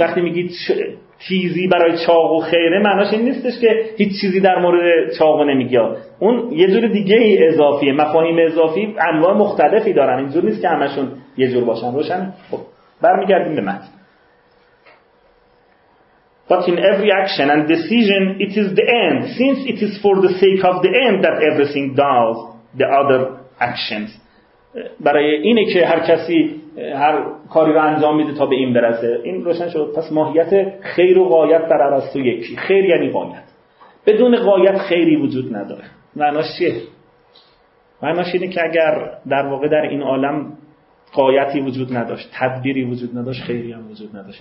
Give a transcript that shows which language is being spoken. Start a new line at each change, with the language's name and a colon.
Persian: وقتی میگی تیزی برای چاقو خیره، معناش این نیستش که هیچ چیزی در مورد چاقو نمیگی. اون یه جور دیگه ای اضافیه. مفاهیم اضافی انواع مختلفی دارن، اینجور نیست که همشون یه جور باشن. روشن؟ خب برمیگردیم به متن.
English: But in every action and decision it is the end, since it is for the sake of the end that everything does the other actions.
Persian: برای اینه که هر کسی هر کاری رو انجام میده تا به این برسه. این روشن شد؟ پس ماهیت خیر و غایت در ارسطو یکی. خیر یعنی غایت، بدون غایت خیری وجود نداره. معناش چیه؟ معناش اینه که اگر در واقع در این عالم غایتی وجود نداشت، تدبیری وجود نداشت، خیری هم وجود نداشت.